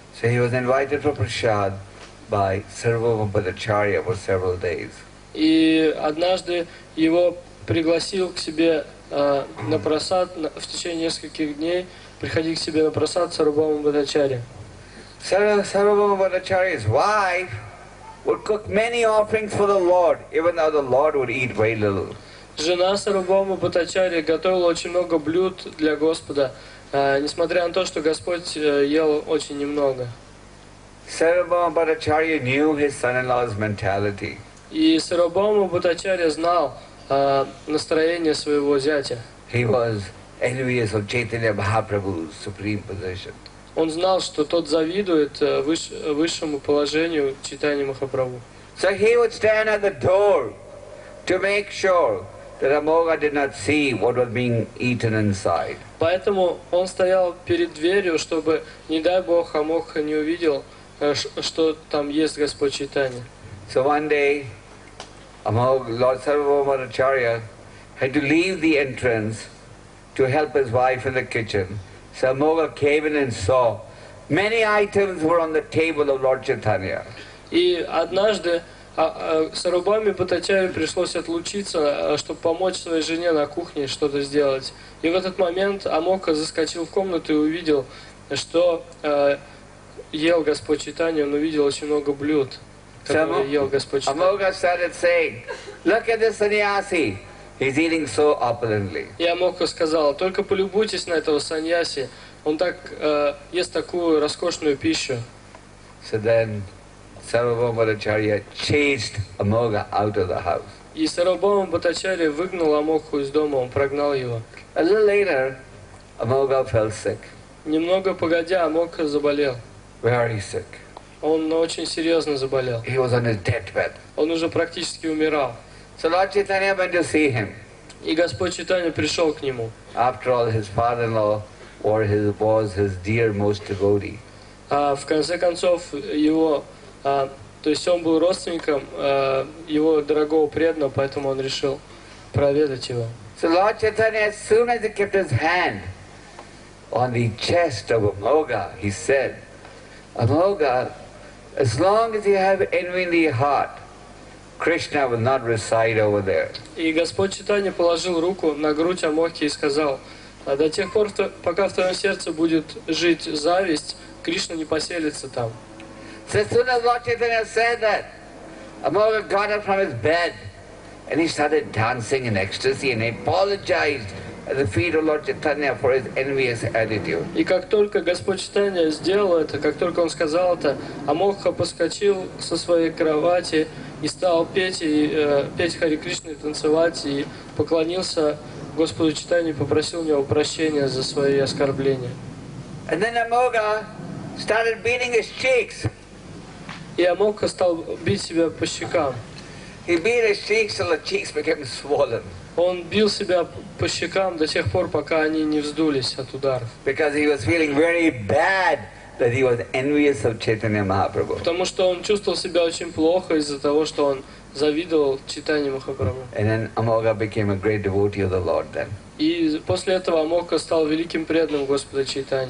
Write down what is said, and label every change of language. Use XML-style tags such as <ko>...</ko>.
<en>So he was invited for prasad by Sarvabhauma Bhattacharya for several days.</en> <ru>И однажды его пригласил к себе на прасад в течение нескольких дней, приходил к себе на прасад Сарвабхаума Бхаттачарья.</ru> <en>Sarvabhauma Bhattacharya's wife would cook many offerings for the Lord, even though the Lord would eat very little.</en> <ru>Жена Сарвабхаумы Бхаттачарья готовила очень много блюд для Господа, несмотря на то, что Господь ел очень немного.</ru> <en>Sarvabhauma Bhattacharya knew his son-in-law's mentality.</en> <ru>И Сарвабхаума Бхаттачарья знал настроение своего зятя.</ru> <en>He was envious of Chaitanya Mahaprabhu's supreme position.</en> <ru>Он знал, что тот завидует высшему положению Чайтаньи Махапрабху.</ru> <en>So he would stand at the door to make sure that Amogha did not see what was being eaten inside.</en> <ru>Поэтому он стоял перед дверью, чтобы, не дай Бог, Амогха не увидел, что там ест Господь Чайтанья.</ru> <en>So one day, Lord Sarvabhauma Bhattacharya had to leave the entrance to help his wife in the kitchen. So Amogha came in and saw many items were on the table of Lord Chaitanya.</en> <ru>И однажды Сарвабхауме Бхаттачарье пришлось отлучиться, чтобы помочь своей жене на кухне что-то сделать. И в этот момент Амогха заскочил в комнату и увидел, что ел Господь Чайтанья. Он увидел очень много блюд.</ru> <en>Amogha started saying, "Look at this sannyasi; he's eating so opulently."</en> <ru>И Амогха сказал: "Только полюбуйтесь на этого саньяси; он так ест такую роскошную пищу."</ru> <en>So then, Sarvabhauma Bhattacharya chased Amogha out of the house.</en> <ru>И Сарвабхаума Бхаттачарья выгнал Амогху из дома; он прогнал его.</ru> <en>A little later, Amogha fell sick.</en> <ru>Немного погодя Амогха заболел.</ru> <en>Very sick.</en> <ru>Он очень серьезно заболел.</ru> <en>He was on his deathbed.</en> <ru>Он уже практически умирал.</ru> <en>So Lord Chaitanya went to see him.</en> <ru>И Господь Чайтанья пришел к нему.</ru> <en>After all, his father-in-law or his was his dear most devotee.</en> <ru>В конце концов его, то есть он был родственником его дорогого преданного, поэтому он решил проведать его.</ru> <en>So Lord Chaitanya, as soon as he kept his hand on the chest of Amogha, he said, "Amogha, as long as you have envy in the heart, Krishna will not reside over there."</en> <ru>И Господь Чайтанья положил руку на грудь Амогхи и сказал: "До тех пор, пока в твоем сердце будет жить зависть, Кришна не поселится там."</ru> <en>So as soon as Lord Chaitanya said that, Amogha got up from his bed and he started dancing in ecstasy and apologized at the feet of Lord Chaitanya for his envious attitude.</en> <ru>И как только Господь Чайтанья сделал это, как только он сказал это, Амогха поскочил со своей кровати и стал петь петь Хари Кришну и танцевать, и поклонился Господу Чайтанье, попросил у него прощения за свои оскорбления.</ru> <en>And then Amogha started beating his cheeks.</en> <ru>И Амогха стал бить себя по щекам.</ru> <en>He beat his cheeks till the cheeks became swollen.</en> <ru>Он бил себя по щекам до тех пор, пока они не вздулись от ударов.</ru> <en>Because he was feeling very bad That he was envious of Chaitanya Mahaprabhu.</en> <ru>Потому что он чувствовал себя очень плохо из-за того, что он завидовал Чайтанье Махапрабху.</ru> <en>And then Amoga became a great devotee of the Lord then.</en> <ru>И после этого Амока стал великим преданным Господа Чайтанья.</ru>